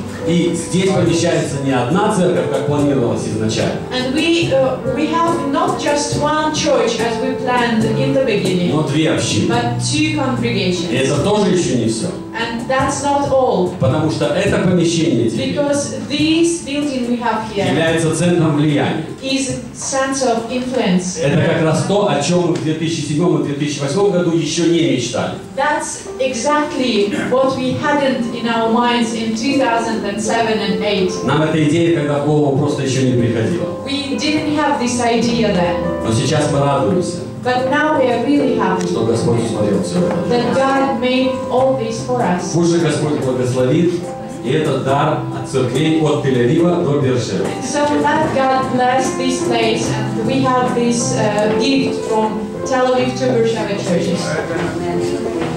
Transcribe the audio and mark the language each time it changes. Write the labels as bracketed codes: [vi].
[ru] И здесь помещается не одна церковь, как планировалось изначально. [en] And we have not just one church as we planned in the beginning. [ru] Но две общины. [en] But two congregations. [ru] И это тоже еще не все. [en] And that's not all. [ru] Потому что это помещение теперь. [en] Because this building we have here [ru] является центром влияния. [en] Is center of influence. [ru] Это как раз то, о чем мы в 2007-2008 году еще не мечтали. [en] That's exactly what we hadn't in our minds in 2007 and 8. [ru] Нам эта идея тогда в голову просто еще не приходила. [en] We didn't have this idea then. [ru] Но сейчас мы радуемся. [en] But now we are really happy. [ru] Что Господь усмотрел все. [en] That God made all this for us. [ru] Пусть же Господь благословит и этот дар от церквей от Тель-Авива до Бершевы. [en] So that God blessed this place and we have this gift from Tel Aviv to Bershevet churches.